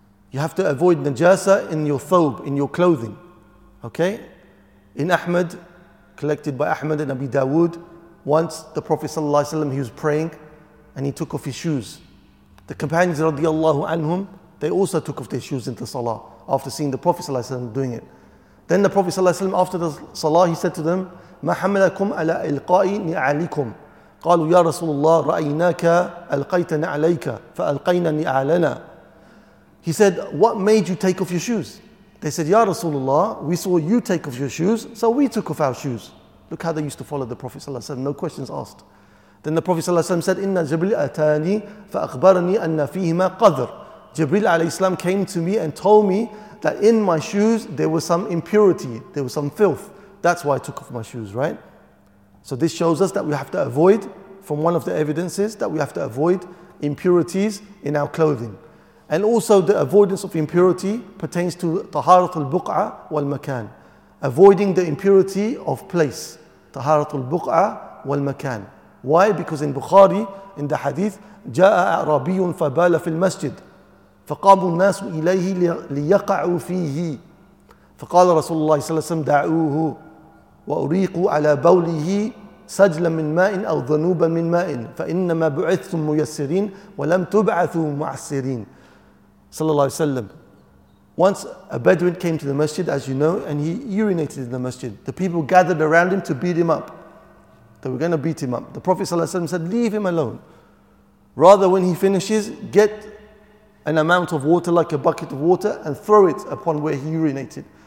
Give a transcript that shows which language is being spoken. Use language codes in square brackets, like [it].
[en] You have to avoid najasa in your thawb, in your clothing, okay? In Ahmad, collected by Ahmad and Abi Dawood, once the Prophet ﷺ, he was praying, and he took off his shoes. The companions radiallahu anhum, they also took off their shoes into salah after seeing the Prophet ﷺ doing it. Then the Prophet ﷺ, after the salah, he said to them, [ar] مَا حَمَلَكُمْ عَلَىٰ إِلْقَاءِ نِعَلِكُمْ قَالُوا يَا رَسُولُ اللَّهِ رَأَيْنَاكَ أَلْقَيْتَ نِعَلَيْكَ فَأَلْقَيْنَا نِعَلَنَا. [en] He said, what made you take off your shoes? They said, [ar] يَا رَسُولُ اللَّهِ, [en] we saw you take off your shoes, so we took off our shoes. Look how they used to follow the Prophet ﷺ, no questions asked. Then the Prophet ﷺ said, [ar] إِنَّ جَبْرِيلَ أَتَانِي فَأَخْبَرَنِي أَنَّ فِيهِمَا قَذْرٌ. [en] Jibril alayhi salam came to me and told me that in my shoes there was some impurity, there was some filth. That's why I took off my shoes, right? So this shows us that we have to avoid, from one of the evidences, that we have to avoid impurities in our clothing. And also the avoidance of impurity pertains to taharatul buq'a wal makan. Avoiding the impurity of place. Taharatul buq'a wal makan. Why? Because in Bukhari, in the hadith, [ar] جاء أعرابي فبال في المسجد فقاموا الناس إليه ليقعوا فيه فقال رسول الله صلى الله عليه وسلم دعوه وأريقوا على بوله سجلا من ماء أو ذنوبا من ماء فإنما بعثتم ميسرين ولم تبعثوا معسرين صلى الله عليه وسلم. [en] Once a Bedouin came to the masjid, as you know, and he urinated in the masjid. The people gathered around him to beat him up. They were going to beat him up. The Prophet ﷺ said, leave him alone. Rather, when he finishes, get an amount of water, like a bucket of water, and throw it upon where he urinated.